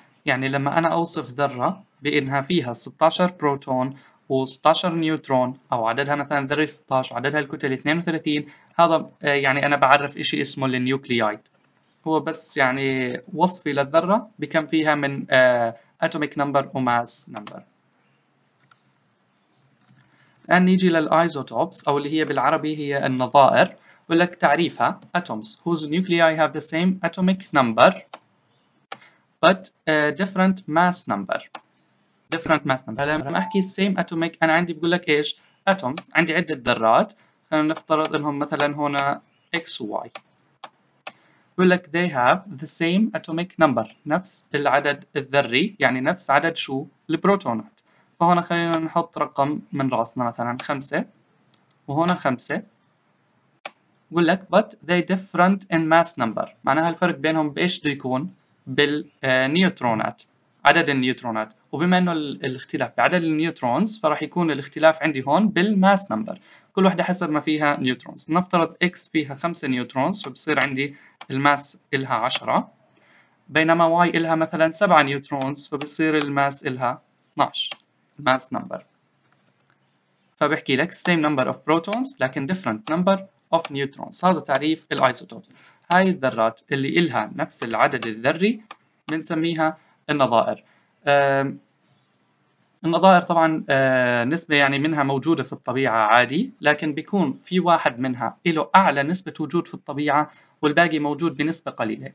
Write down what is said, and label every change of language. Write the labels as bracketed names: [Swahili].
[Arabic] يعني لما أنا أوصف ذرة بأنها فيها 16 بروتون و16 نيوترون، أو عددها مثلا ذري 16 وعددها الكتلي 32، هذا يعني أنا بعرف إشي اسمه النيوكليي، هو بس يعني وصفي للذرة بكم فيها من atomic number و mass number. الآن نيجي للايزوتوبس أو اللي هي بالعربي هي النظائر. يقول لك تعريفها [English] atoms whose nuclei have the same atomic number but different mass number. different mass number. [Arabic] هلا لما أحكي same atomic أنا عندي بقول لك إيش atoms، عندي عدة ذرات، خلينا نفترض إنهم مثلا هنا X و Y. يقول لك [English] they have the same atomic number، [Arabic] نفس العدد الذري، يعني نفس عدد شو البروتونات. فهنا خلينا نحط رقم من رأسنا مثلا 5 وهنا 5. يقول لك [English] but they different in mass number، [Arabic] معناها الفرق بينهم بإيش بده يكون؟ بالنيوترونات، عدد النيوترونات. وبما أنه الاختلاف بعدد النيوترونز فراح يكون الاختلاف عندي هون بالماس نمبر، كل واحدة حسب ما فيها نيوترونز. نفترض X فيها 5 نيوترونز فبصير عندي الماس إلها 10، بينما Y إلها مثلا 7 نيوترونز فبصير الماس إلها 12 mass number. فبحكي لك [English] same number of protons [Arabic] لكن [English] different number of neutrons. [Arabic] هذا تعريف الايزوتوبس، هاي الذرات اللي إلها نفس العدد الذري بنسميها النظائر. النظائر طبعا نسبة يعني منها موجودة في الطبيعة عادي، لكن بيكون في واحد منها إله أعلى نسبة وجود في الطبيعة والباقي موجود بنسبة قليلة.